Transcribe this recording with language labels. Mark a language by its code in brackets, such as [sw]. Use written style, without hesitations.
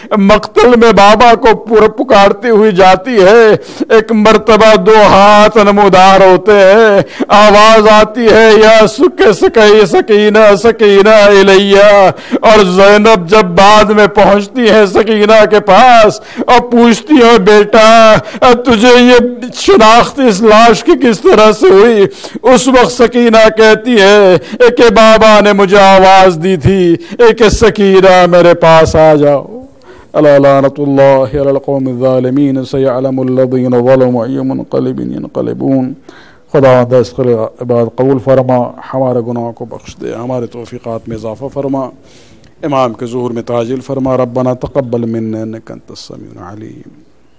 [ur] مقتل میں بابا کو پورا پکارتی ہوئی جاتی ہے، ایک مرتبہ 2 ہاتھ نمودار ہوتے ہیں، آواز آتی ہے یا سکے سکے سکینہ سکینہ علیہ، اور زینب جب بعد میں پہنچتی ہے سکینہ کے پاس اور پوچھتی ہے بیٹا تجھے یہ شناخت اس لاش کی کس طرح سے ہوئی، اس وقت سکینہ کہتی ہے کہ بابا نے مجھے آواز دی تھی کہ سکینہ میرے پاس آ جاؤ. [ar] لعنة الله على القوم الظالمين سيعلم الذين ظلموا أي منقلب ينقلبون. [ur] خدا وندہ اس قلع عباد قبول فرما، ہمارے گناہ کو بخش دے، ہمارے توفیقات میں اضافہ فرما، امام کے ظہور میں تعجیل فرما. [ar] ربنا تقبل منا انك انت السميع العليم.